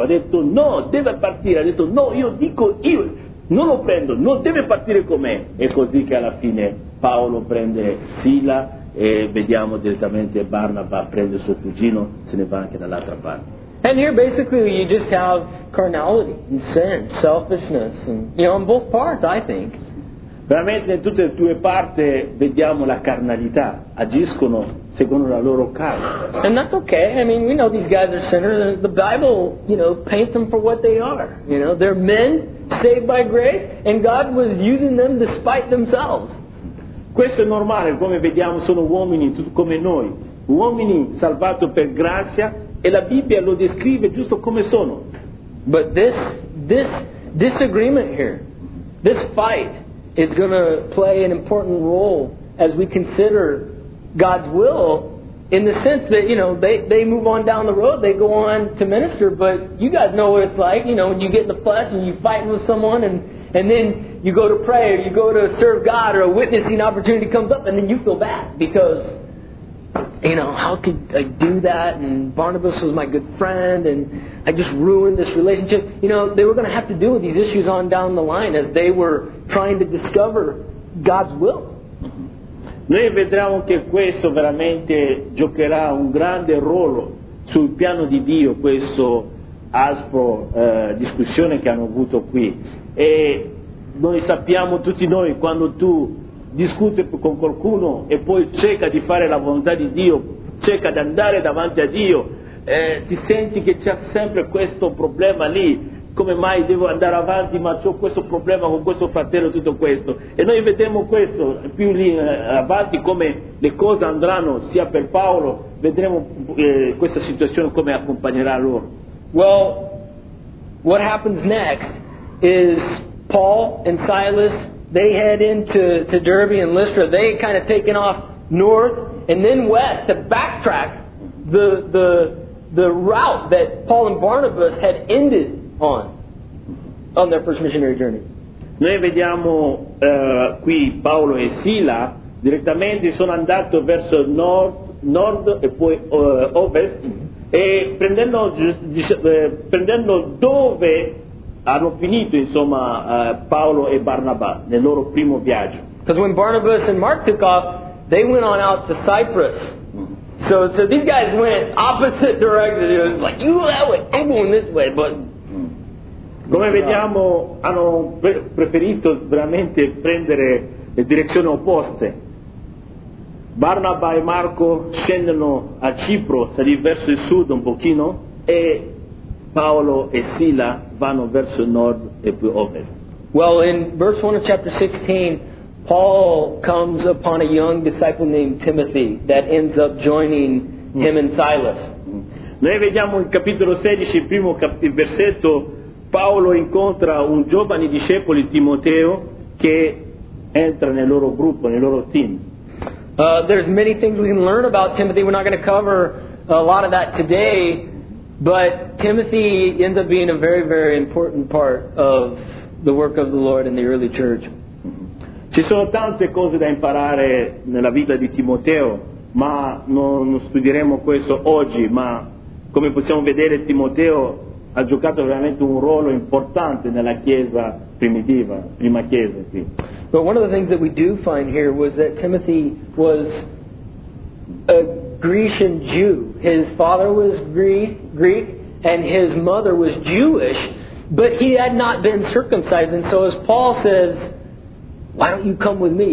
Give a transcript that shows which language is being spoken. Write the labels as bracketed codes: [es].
[it] Ha detto no, deve partire, ha detto no, io dico io, non lo prendo, non deve partire con me. È così che alla fine Paolo prende Sila e vediamo direttamente Barnaba prende suo cugino, se ne va anche dall'altra parte. [en] And here basically you just have carnality and sin, selfishness, and, you know, on both parts, I think. [it] Veramente in tutte e due parti vediamo la carnalità, agiscono secondo la loro carne. [en] And that's okay. I mean, we know these guys are sinners. The Bible, you know, paints them for what they are. You know, they're men saved by grace, and God was using them despite themselves. [it] Questo è normale, come vediamo, sono uomini come noi, uomini salvati per grazia, e la Bibbia lo descrive giusto come sono. [en] But this disagreement here, this fight, is going to play an important role as we consider God's will, in the sense that, you know, they move on down the road, they go on to minister, but you guys know what it's like, you know, when you get in the flesh and you fight with someone and then you go to pray or you go to serve God or a witnessing opportunity comes up and then you feel bad because, you know, how could I do that? And Barnabas was my good friend and I just ruined this relationship. You know, they were going to have to deal with these issues on down the line as they were trying to discover God's will. [it] Noi vedremo che questo veramente giocherà un grande ruolo sul piano di Dio, questo aspro discussione che hanno avuto qui. E noi sappiamo tutti noi, quando tu discuti con qualcuno e poi cerca di fare la volontà di Dio, cerca di andare davanti a Dio, ti senti che c'è sempre questo problema lì. Come mai devo andare avanti, ma ho questo problema con questo fratello, tutto questo. E noi vedremo questo più lì avanti, come le cose andranno sia per Paolo, vedremo questa situazione come accompagnerà loro. [en] Well, what happens next is Paul and Silas, they head into Derbe and Lystra, they kind of taken off north and then west to backtrack the route that Paul and Barnabas had ended on their first missionary journey. [it] Noi vediamo qui Paolo e Sila direttamente sono andato verso nord e poi ovest, e prendendo dove hanno finito, insomma, Paolo e Barnaba nel loro primo viaggio. [en] Because when Barnabas and Mark took off, they went on out to Cyprus. So these guys went opposite directions. It was like, you that way, I'm going this way, but [it] come vediamo, hanno preferito veramente prendere le direzioni opposte. Barnaba e Marco scendono a Cipro, salì verso il sud un pochino, e Paolo e Sila vanno verso il nord e più ovest. [en] Well, in verse 1 of chapter 16, Paul comes upon a young disciple named Timothy that ends up joining him and Silas. [it] Noi vediamo in capitolo 16, primo versetto, Paolo incontra un giovane discepolo, Timoteo, che entra nel loro gruppo, nel loro team. [en] There's many things we can learn about Timothy. We're not going to cover a lot of that today, but Timothy ends up being a very, very important part of the work of the Lord in the early church. [it] Ci sono tante cose da imparare nella vita di Timoteo, ma non studieremo questo oggi, ma come possiamo vedere Timoteo ha giocato veramente un ruolo importante nella chiesa primitiva, prima chiesa qui. [en] But one of the things that we do find here was that Timothy was a Grecian Jew. His father was Greek and his mother was Jewish, but he had not been circumcised. And so as Paul says, why don't you come with me?